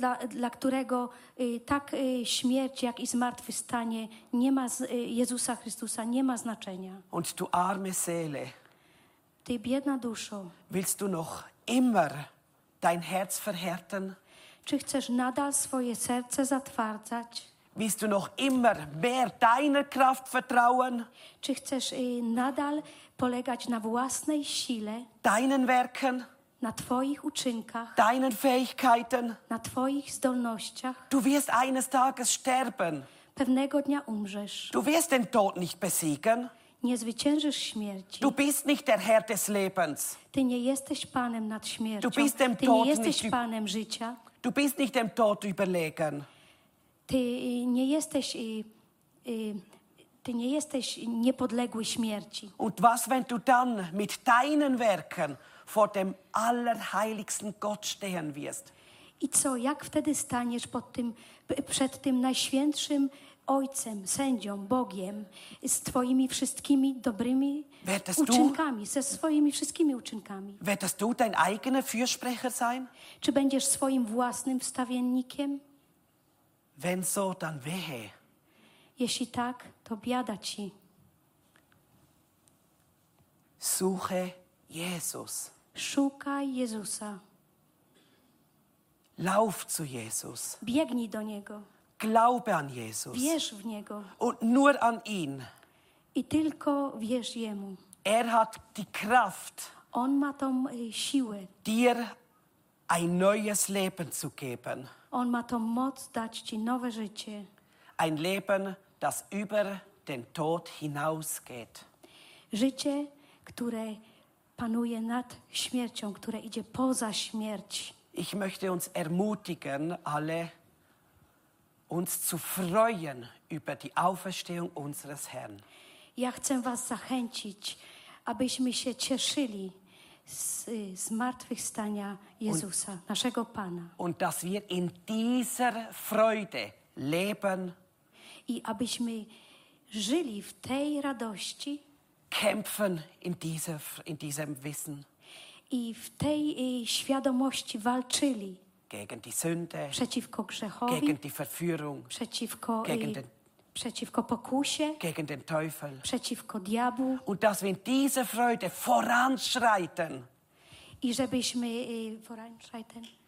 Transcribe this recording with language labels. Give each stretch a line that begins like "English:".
Polish: Dla którego tak śmierć, jak i zmartwychwstanie nie ma Jezusa Chrystusa nie ma znaczenia.
German: Und du arme Seele,
Polish: ty biedna duszo,
German: willst du noch immer dein Herz verhärten?
Polish: Czy chcesz nadal swoje serce zatwardzać?
German: Willst du noch immer mehr deiner Kraft vertrauen?
Polish: Czy chcesz nadal polegać na własnej sile?
German: Deinen Werken?
Polish: Na twoich uczynkach?
German: Deinen Fähigkeiten?
Polish: Na twoich zdolnościach?
German: Du wirst eines Tages sterben.
Polish: Pewnego dnia umrzesz.
German: Du wirst den Tod nicht besiegen.
Polish: Nie zwyciężysz śmierci.
German: Du bist nicht der Herr des Lebens.
Polish: Ty nie jesteś panem nad śmiercią.
German: Du bist dem
Polish: Ty
German: Tod
Polish: nie jesteś nicht panem życia.
German: Du bist nicht dem Tod überlegen.
Polish: Ty nie jesteś niepodległy śmierci.
German: Und was, wenn du dann mit deinen Werken vor dem allerheiligsten Gott stehen wirst?
Polish: I co, jak wtedy staniesz przed tym najświętszym Ojcem, sędzią, Bogiem, z twoimi wszystkimi dobrymi uczynkami, ze swoimi wszystkimi uczynkami?
German: Werdest du dein eigener Fürsprecher sein?
Polish: Czy będziesz swoim własnym wstawiennikiem?
German: Wenn so, dann wehe.
Polish: Jeśli tak, to biada ci.
German: Suche Jesus.
Polish: Szukaj Jezusa.
German: Lauf zu Jesus.
Polish: Biegnij do Niego.
German: Glaube an Jesus.
Polish: Wierz w Niego.
German: Und nur an ihn.
Polish: I tylko wierz Jemu.
German: Er hat die Kraft.
Polish: On ma tą siłę.
German: Dir ein neues Leben zu geben.
Polish: On ma tą moc dać ci nowe życie.
German: Ein Leben, das über den Tod hinausgeht.
Polish: Życie, które panuje nad śmiercią, które idzie poza śmierć.
German: Ich möchte uns ermutigen, alle uns zu freuen über die Auferstehung unseres Herrn.
Polish: Ja chcę was zachęcić, abyśmy się cieszyli z zmartwychwstania Jezusa, und, naszego Pana.
German: Und dass wir in dieser Freude leben.
Polish: I abyśmy żyli w tej radości.
German: Kämpfen in diesem Wissen.
Polish: I w tej świadomości walczyli.
German: Gegen die Sünde.
Polish: Przeciwko grzechowi.
German: Gegen die Verführung.
Polish: Przeciwko pokusie.
German: Gegen den Teufel.
Polish: Przeciwko diabłu.
German: Und dass wir in dieser Freude voranschreiten.
Polish: I żebyśmy voranschreiten.